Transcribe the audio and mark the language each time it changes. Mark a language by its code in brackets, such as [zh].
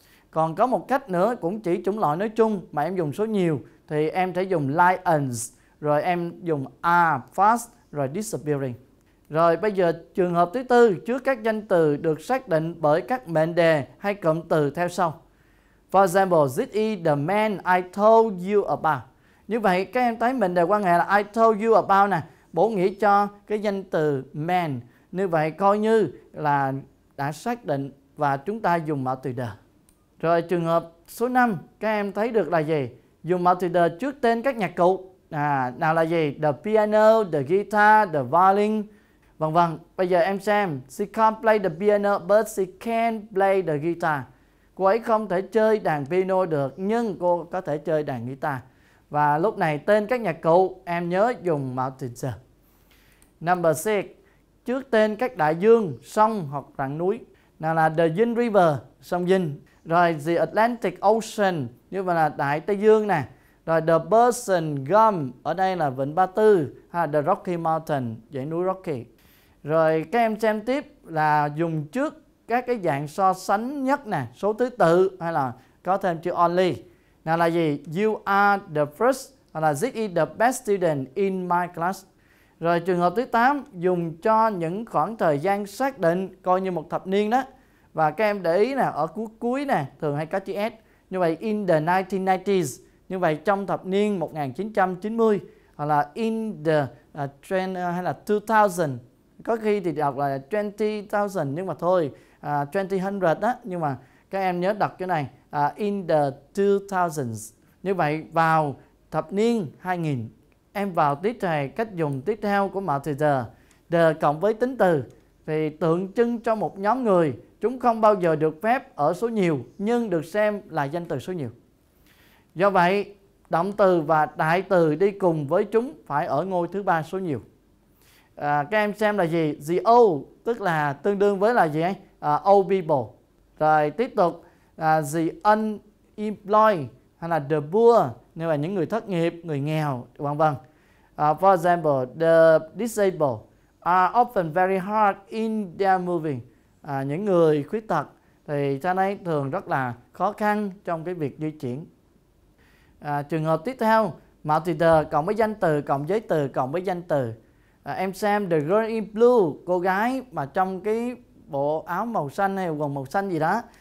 [vi] Còn có một cách nữa cũng chỉ chủng loại nói chung mà em dùng số nhiều, thì em sẽ dùng lions, rồi em dùng are fast, rồi disappearing. Rồi bây giờ trường hợp thứ tư, trước các danh từ được xác định bởi các mệnh đề hay cụm từ theo sau. [en] For example, this is the man I told you about. [vi] Như vậy các em thấy mệnh đề quan hệ là [en] I told you about [vi] nè, bổ nghĩa cho cái danh từ man. Như vậy coi như là đã xác định và chúng ta dùng mạo từ the. Rồi trường hợp số 5, các em thấy được là gì? Dùng mạo từ the trước tên các nhạc cụ. Nào là gì? [en] The piano, the guitar, the violin. [vi] Vâng vâng, bây giờ em xem, [en] she can't play the piano but she can play the guitar. [vi] Cô ấy không thể chơi đàn piano được nhưng cô có thể chơi đàn guitar. Và lúc này tên các nhạc cụ em nhớ dùng mạo từ the. [en] Number 6, [vi] trước tên các đại dương, sông hoặc rặng núi. Nào là the Yin River, sông Yin. Rồi the Atlantic Ocean, như vậy là đại Tây Dương nè. Rồi the Persian Gulf, ở đây là vịnh Ba Tư, ha, the Rocky Mountain, dãy núi Rocky. Rồi các em xem tiếp là dùng trước các cái dạng so sánh nhất nè, số thứ tự hay là có thêm chữ only. Nào là gì? [en] You are the first, [vi] hoặc là [en] this is the best student in my class. [vi] Rồi trường hợp thứ 8, dùng cho những khoảng thời gian xác định, coi như một thập niên đó. Và các em để ý nè, ở cuối nè, thường hay có chữ S. Như vậy [en] in the 1990s, [vi] như vậy trong thập niên 1990, hoặc là [en] in the trend [vi] hay là 2000. Có khi thì đọc là 20,000 nhưng mà thôi, 20,000 á, nhưng mà các em nhớ đọc chỗ này, [en] in the 2000s. [vi] Như vậy vào thập niên 2000, em vào tiếp theo cách dùng tiếp theo của mạo từ the cộng với tính từ thì tượng trưng cho một nhóm người, chúng không bao giờ được phép ở số nhiều nhưng được xem là danh từ số nhiều. Do vậy, động từ và đại từ đi cùng với chúng phải ở ngôi thứ ba số nhiều. Các em xem là gì? [en] The old, [vi] tức là tương đương với là gì ấy? [en] Old people. [vi] Rồi tiếp tục, [en] the unemployed [vi] hay là [en] the poor, [vi] nếu là những người thất nghiệp, người nghèo, vân vân. [en] For example, the disabled are often very hard in their moving. [vi] Những người khuyết tật thì cho nên thường rất là khó khăn trong cái việc di chuyển. Trường hợp tiếp theo, mạo từ the cộng với danh từ cộng giới từ cộng với danh từ. Em xem [en] the girl in blue, [vi] cô gái mà trong cái bộ áo màu xanh hay quần màu xanh gì đó.